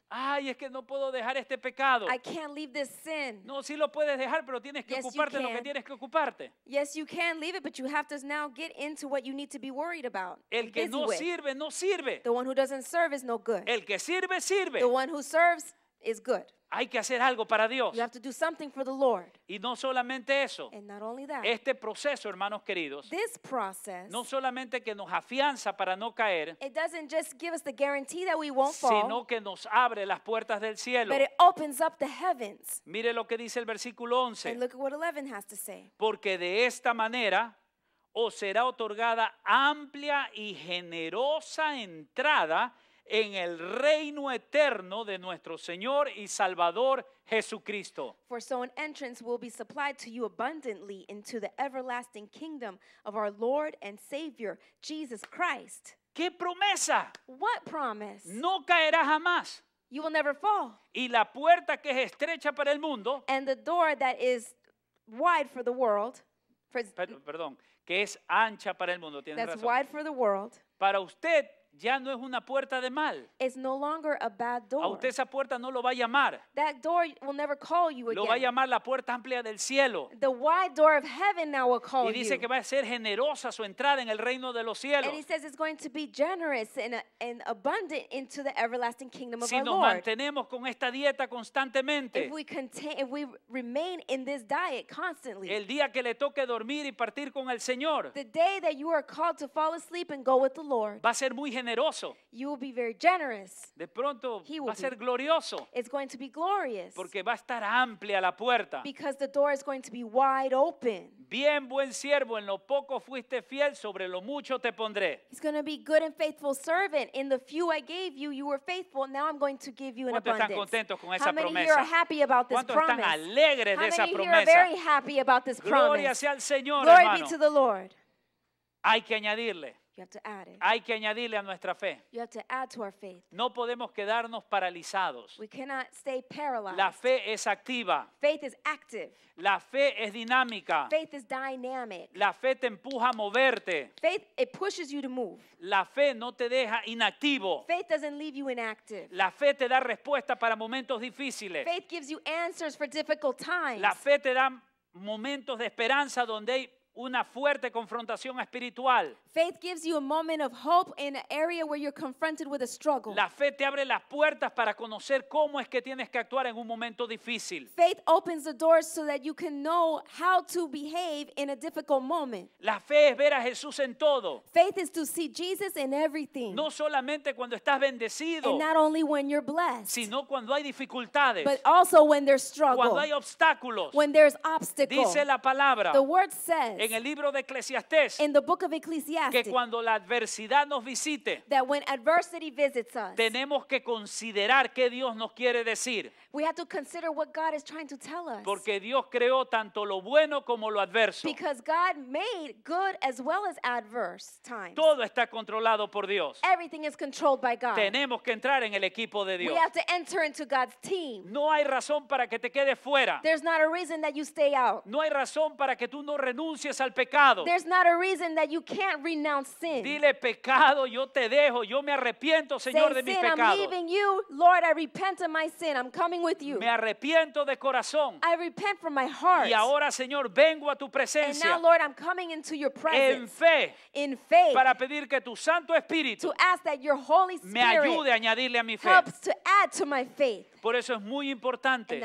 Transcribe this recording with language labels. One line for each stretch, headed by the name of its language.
Spanish: Ay, es que no puedo dejar este pecado.
English: I can't leave this sin.
Spanish: No, sí lo puedes dejar, pero tienes que
English: yes,
Spanish: ocuparte lo que tienes que ocuparte.
English: Yes, you can leave it, but you have to now get into what you need to be worried about.
Spanish: El que no
English: with.
Spanish: Sirve, no sirve.
English: The one who doesn't serve is no good.
Spanish: El que sirve, sirve.
English: The one who serves is good.
Spanish: Hay que hacer algo para Dios.
English: You have to do something for the Lord.
Spanish: Y no solamente eso.
English: And not only that.
Spanish: Este proceso, hermanos queridos,
English: this process,
Spanish: no solamente que nos afianza para no caer,
English: it doesn't just give us the guarantee that we won't fall,
Spanish: sino que nos abre las puertas del cielo.
English: But it opens up the heavens.
Spanish: Mire lo que dice el versículo 11.
English: And look at what 11 has to say.
Spanish: Porque de esta manera os será otorgada amplia y generosa entrada en el reino eterno de nuestro Señor y Salvador Jesucristo.
English: For so an entrance will be supplied to you abundantly into the everlasting kingdom of our Lord and Savior, Jesus Christ.
Spanish: ¿Qué promesa?
English: What promise?
Spanish: No caerá jamás.
English: You will never fall.
Spanish: Y la puerta que es estrecha para el mundo.
English: And the door that is wide for the world.
Spanish: Perdón, que es ancha para el mundo. Tienes
English: that's
Spanish: razón.
English: Wide for the world.
Spanish: Para usted. Ya no es una puerta de mal.
English: It's no longer a bad door.
Spanish: A usted esa puerta no lo va a llamar.
English: That door will never call you again.
Spanish: Lo va a llamar la puerta amplia del cielo.
English: The wide door of heaven now will call you.
Spanish: Y dice que va a ser generosa su entrada en el reino de los cielos.
English: And he says it's going to be generous and abundant into the everlasting kingdom of our Lord.
Spanish: Si nos mantenemos con esta dieta constantemente.
English: If we remain in this diet constantly.
Spanish: El día que le toque dormir y partir con el Señor.
English: The day that you are called to fall asleep and go with the Lord.
Spanish: Va a ser muy generosa. generoso.
English: You will be very generous.
Spanish: De pronto va a ser glorioso.
English: It's going to be glorious.
Spanish: Porque va a estar amplia la puerta.
English: Because the door is going to be wide open.
Spanish: Bien, buen siervo, en lo poco fuiste fiel, sobre lo mucho te pondré.
English: He's going to be good and faithful servant. In the few I gave you, you were faithful. Now I'm going to give you an abundance.
Spanish: ¿Cuántos están contentos con esa promesa?
English: How many of you are happy about this promise?
Spanish: ¿Cuántos están alegres de esa promesa?
English: How many of you are very happy about this promise?
Spanish: Gloria sea al Señor,
English: Glory
Spanish: hermano.
English: Be to the Lord.
Spanish: Hay que añadirle.
English: You have to add it.
Spanish: Hay que añadirle a nuestra fe.
English: You have to add to our faith.
Spanish: No podemos quedarnos paralizados.
English: We cannot stay paralyzed.
Spanish: La fe es activa.
English: Faith is active.
Spanish: La fe es dinámica.
English: Faith is dynamic.
Spanish: La fe te empuja a moverte.
English: Faith, it pushes you to move.
Spanish: La fe no te deja inactivo.
English: Faith doesn't leave you inactive.
Spanish: La fe te da respuesta para momentos difíciles.
English: Faith gives you answers for difficult times.
Spanish: La fe te da momentos de esperanza donde hay una fuerte confrontación espiritual.
English: Faith gives you a moment of hope in an area where you're confronted with a struggle.
Spanish: La fe te abre las puertas para conocer cómo es que tienes que actuar en un momento difícil.
English: Faith opens the doors so that you can know how to behave in a difficult moment.
Spanish: La fe es ver a Jesús en todo.
English: Faith is to see Jesus in everything.
Spanish: No solamente cuando estás bendecido.
English: And not only when you're blessed.
Spanish: Sino cuando hay dificultades.
English: But also when there's struggle.
Spanish: Cuando hay obstáculos.
English: When there's obstacles.
Spanish: Dice la palabra.
English: The word says.
Spanish: En el libro de Eclesiastés,
English: in the book of Ecclesiastes,
Spanish: que cuando la adversidad nos visite,
English: that when adversity visits us,
Spanish: tenemos que considerar qué Dios nos quiere decir.
English: We have to consider what God is trying to tell us.
Spanish: Porque Dios creó tanto lo bueno como lo adverso.
English: Because God made good as well as adverse times.
Spanish: Todo está controlado por Dios.
English: Everything is controlled by God.
Spanish: Tenemos que entrar en el equipo de Dios.
English: We have to enter into God's team.
Spanish: No hay razón para que te quedes fuera.
English: There's not a reason that you stay out.
Spanish: No hay razón para que tú no renuncies al pecado.
English: There's not a reason that you can't renounce sin.
Spanish: Dile pecado, yo te dejo, yo me arrepiento, Señor, de mis pecados.
English: Say sin, I'm leaving you, Lord, I repent of my sin. I'm coming with you.
Spanish: Me arrepiento de corazón.
English: I repent from my heart.
Spanish: Y ahora, Señor, vengo a tu presencia.
English: And now, Lord, I'm coming into your presence.
Spanish: En fe.
English: In faith.
Spanish: Para pedir que tu Santo Espíritu
English: to ask that your Holy Spirit
Spanish: me ayude a añadirle a mi fe.
English: Helps to add to my faith.
Spanish: Por eso es muy importante.